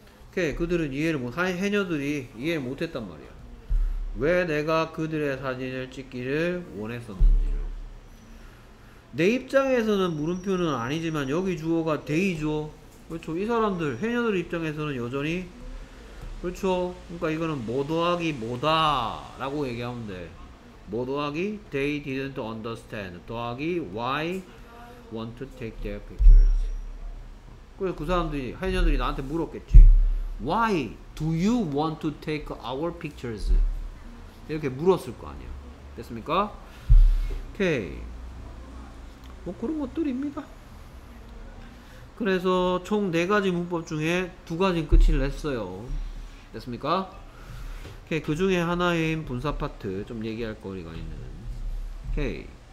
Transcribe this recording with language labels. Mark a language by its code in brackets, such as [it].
[ko] 오케이. 그들은 이해를 못, 해녀들이 이해를 못했단 말이야. 왜 내가 그들의 사진을 찍기를 원했었는지를. 내 입장에서는 물음표는 아니지만 여기 주어가 데이죠. 그렇죠. 이 사람들, 해녀들 입장에서는 여전히 그렇죠. 그러니까 이거는 뭐 더하기 뭐다 라고 얘기하면 돼. 뭐 더하기 [en] they didn't understand, [ko] 더하기 [en] why want to take their pictures. [ko] 그래서 그 사람들이, 해녀들이 나한테 물었겠지. [en] Why do you want to take our pictures? [ko] 이렇게 물었을 거 아니야. 됐습니까? 오케이. 뭐 그런 것들입니다. 그래서 총 4가지 문법 중에 2가지는 끝을 냈어요. 됐습니까? 오케이. 그 중에 하나인 분사 파트 좀 얘기할 거리가 있는. 오케이.